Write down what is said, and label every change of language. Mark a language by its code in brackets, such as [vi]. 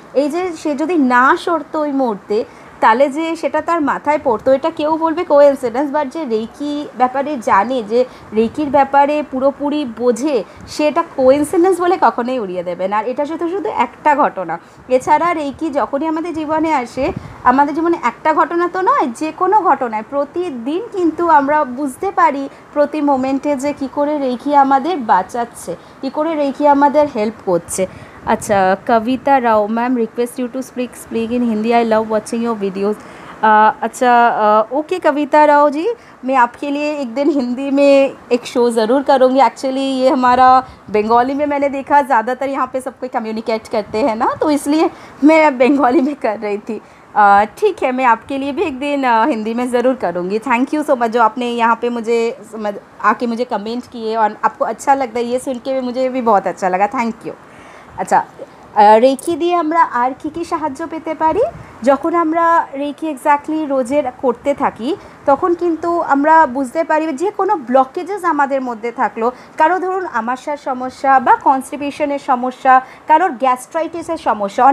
[bn] এই যে সে যদি না সরতো ওই মুহূর্তে তাহলে যে সেটা তার মাথায় পড়তো এটা কেউ বলবে কোইন্সিডেন্স, বাট যে রেইকি ব্যাপারে জানে, যে রেইকির ব্যাপারে পুরোপুরি বোঝে, সেটা কোইন্সিডেন্স বলে কখনোই উড়িয়ে দেবে না। আর এটা শুধু শুধু একটা ঘটনা, এছাড়া রেইকি যখনই আমাদের জীবনে আসে, আমাদের জীবনে একটা ঘটনা তো নয়, যে কোনো ঘটনায় প্রতিদিন কিন্তু আমরা বুঝতে পারি প্রতি মোমেন্টে যে কী করে রেইকি আমাদের বাঁচাচ্ছে, কী করে রেইকি আমাদের হেল্প করছে। [en] আচ্ছা, Kavita Rao, ma'am request you to speak in Hindi, I love watching your videos. [hi] अच्छा ओके कविता राव जी, मैं आपके लिए एक दिन हिंदी में एक शो ज़रूर करूँगी। एक्चुअली ये हमारा बंगाली में मैंने देखा, ज़्यादातर यहाँ पे सब कोई कम्युनिकेट करते हैं ना, तो इसलिए मैं बंगाली में कर रही थी। ठीक है, मैं आपके लिए भी एक दिन हिंदी में ज़रूर करूँगी। थैंक यू सो मच जो आपने यहाँ पे मुझे आके मुझे कमेंट किए और आपको अच्छा लगता है ये सुन के, मुझे भी बहुत अच्छा लगा, थैंक यू। [bn] अच्छा রেখে দিয়ে আমরা আর কী কী সাহায্য পেতে পারি? যখন আমরা রেখে এক্স্যাক্টলি রোজের করতে থাকি তখন কিন্তু আমরা বুঝতে পারি যে কোনো ব্লকেজেস আমাদের মধ্যে থাকলো, কারো ধরুন আমাশয়ের সমস্যা বা কনস্টিপেশনের সমস্যা, কারোর গ্যাস্ট্রাইটিসের সমস্যা।